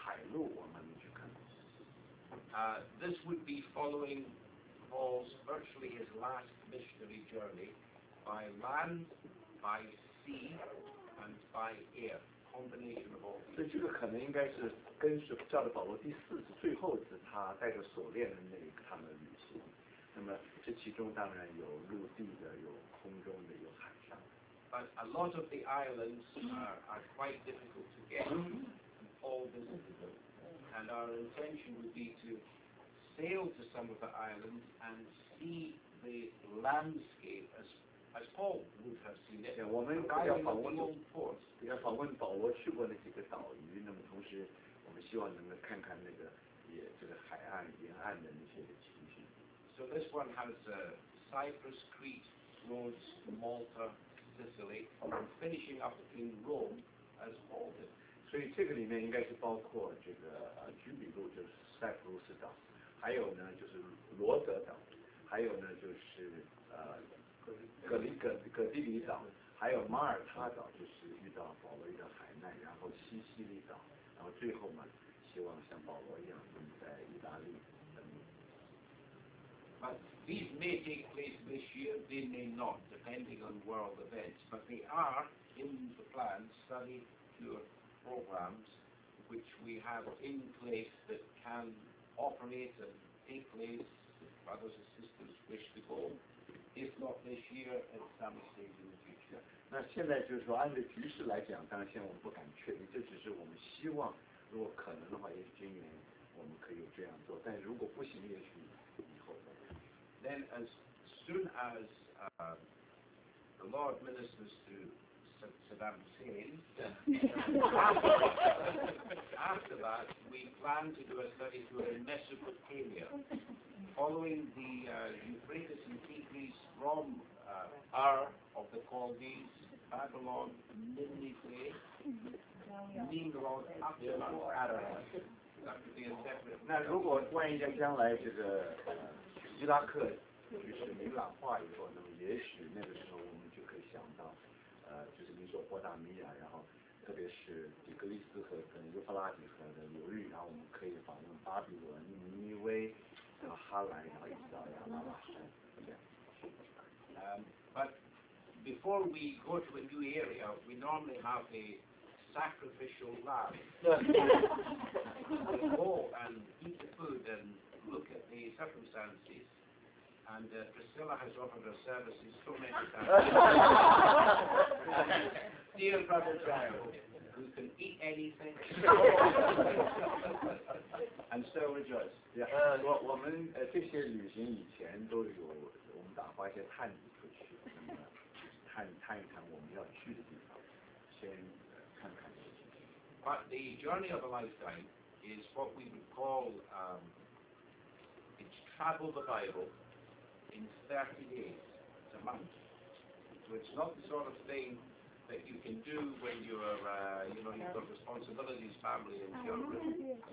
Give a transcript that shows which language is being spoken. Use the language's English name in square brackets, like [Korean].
[English] This would be following Paul's virtually his last missionary journey by land, by sea, and by air, combination of all these. [Chinese] 所以这个可能应该是跟随照着保罗第四次最后一次他带着锁链的那一个他们旅行。那么这其中当然有陆地的，有空中的，有海上。 [English] But a lot of the islands are quite difficult to get, and Paul visited them. And our intention would be to sail to some of the islands and see the landscape as Paul would have seen it. Yeah, [Chinese] 我们要访问保罗去过那几个岛屿，那么同时我们希望能够看看那个也这个海岸。岸沿岸的那些情形。 [English] So this one has a Cyprus, Crete, Rhodes, Malta, Sicily, and finishing up in Rome as halted. [Chinese] 所以这个里面应该是包括这个居比路，就是塞浦路斯岛，还有呢就是罗德岛，还有呢就是格地里岛，还有马耳他岛，就是遇到保罗遇到海难，然后西西里岛，然后最后嘛，希望像保罗一样在意大利。 [English] But these may take place this year, they may not, depending on world events. But they are in the plan, study tour programs, which we have in place that can operate and take place if brothers and sisters wish to go, if not this year, at some stage in the future. [Chinese] 那现在就是说按照局势来讲，当然现在我们不敢确定，这只是我们希望，如果可能的话，也许今年我们可以这样做，但如果不行，也许以后。 [English] Then as soon as the Lord ministers to Saddam Hussein, after that, we plan to do a study tour in Mesopotamia, following the Euphrates and Tigris from Ur of the Chaldees, Babylon, Nineveh, Nimrod, up to Mount Ararat. That could be a separate... [Chinese] 那如果万一在将来这个伊拉克局势明朗化以后，那么也许那个时候我们就可以想到，就是米索波达米亚，然后特别是底格里斯河跟尤弗拉底河的流域，然后我们可以访问巴比伦、尼尼微，然后哈兰，然后一直到亚拉拉山。 [English] But before we go to a new area, we normally have a sacrificial lamb. Go and eat the food and look at the circumstances. And Priscilla has offered her services so many times. Dear brother child, who can eat anything? And so rejoice. Yeah. [Chinese] 我们这些旅行以前都有，我们打发一些探子出去，探一探我们要去的地方，先看看。 [English] But the journey of a lifetime is what we would call, it's travel the Bible in 30 days, it's a month. So it's not the sort of thing that you can do when you're, you've got responsibilities, family and children.